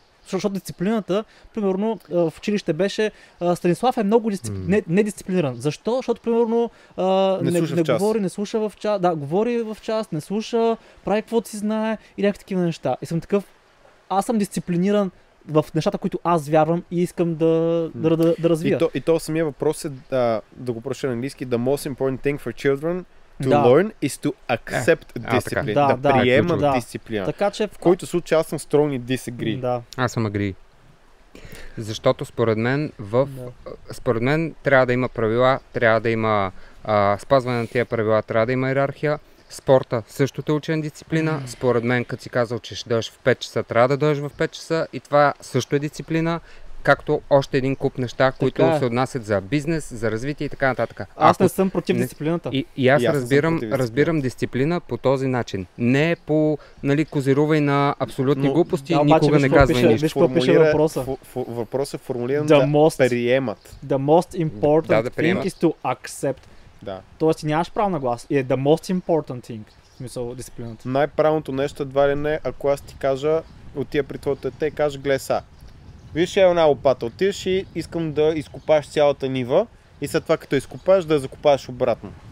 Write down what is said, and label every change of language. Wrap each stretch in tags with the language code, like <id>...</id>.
<bg>Защото дисциплината, примерно, в училище беше Станислав е много недисциплиниран. Защо? Защото, примерно, не говори, не слуша в час. Да, говори в час, не слуша, прави каквото си знае и някакви такива неща. И съм такъв. Аз съм дисциплиниран в нещата, които аз вярвам и искам да развия. И то самия въпрос е, да го проша на английски,</bg> <en>the most important thing for children to learn is to accept discipline.</en> <bg>Да приема да. Дисциплина. Така, че... В който случай аз съм</bg> <en>strongly disagree.</en> <bg>Да. Аз съм agree. Защото според мен, според мен трябва да има правила, трябва да има спазване на тия правила, трябва да има йерархия. Спорта също те учи на дисциплина. Според мен, като си казал, че ще дойдеш в 5 часа, трябва да дойдеш в 5 часа. И това също е дисциплина, както още един куп неща, които се отнасят за бизнес, за развитие и така нататък. Аз не съм против дисциплината. И аз разбирам дисциплина по този начин. Не по козирувай на абсолютни глупости, да, никога не казвай нищо. Виж какво пише въпроса. Въпрос е формулиран да приемат.</bg> <en>The most important thing is to accept.</en> <bg>Да. Тоест нямаш право на глас и е</bg> <en>the most important thing,</en> <bg>в смисъл дисциплината. Най-правното нещо едва ли не, ако аз ти кажа, отия при твоето дете и кажа, гле са, виж една лопата, отиваш и искам да изкопаш цялата нива и след това като изкопаш да я закопаш обратно.</bg>